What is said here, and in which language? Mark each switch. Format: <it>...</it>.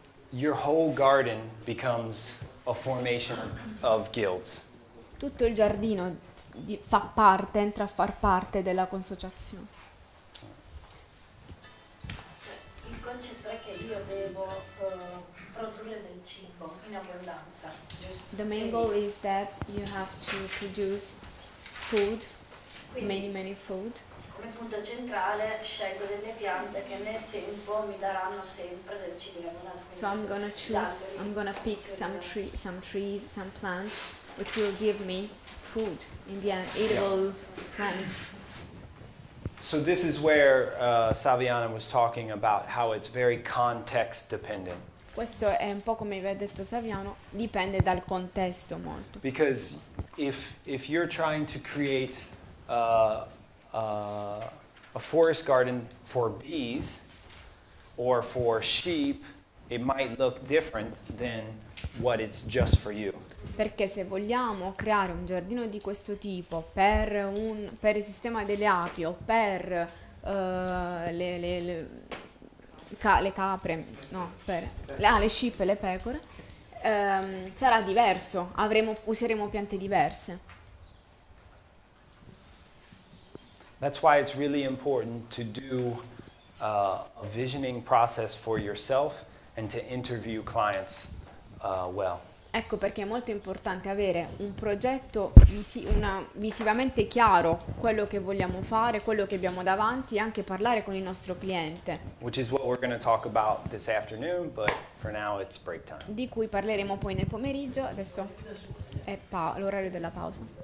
<en>your whole garden becomes a formation of guilds.</en> <it>Tutto il giardino fa parte, entra a far parte della consociazione. Il concetto è che io devo produrre del cibo in abbondanza.</it> <en>The main goal is that you have to produce food,</en> <it>quindi,</it> <en>many food.</en> <it>Come punto centrale scelgo delle piante che nel tempo mi daranno sempre del cibo in abbondanza.</it> <en>So I'm gonna choose, I'm gonna pick some trees, some plants, which will give me food in the end, edible plants. So this is where Saviana was talking about how it's very context dependent.</en> <it>Questo è un po' come vi ha detto Saviano, dipende dal contesto molto.</it> <en>Because if you're trying to create a forest garden for bees or for sheep, it might look different than what it's just for you.</en> <it>Perché se vogliamo creare un giardino di questo tipo per il sistema delle api o per le</it> <en>sheep</en> <it>e le pecore sarà diverso, useremo piante diverse.</it> <en>That's why it's really important to do a visioning process for yourself and to interview clients well.</en> <it>Ecco perché è molto importante avere un progetto visivamente chiaro, quello che vogliamo fare, quello che abbiamo davanti, e anche parlare con il nostro cliente.</it> <en>Which is what we're going to talk about this afternoon, but for now it's break time.</en> <it>Di cui parleremo poi nel pomeriggio, adesso è l'orario della pausa.</it>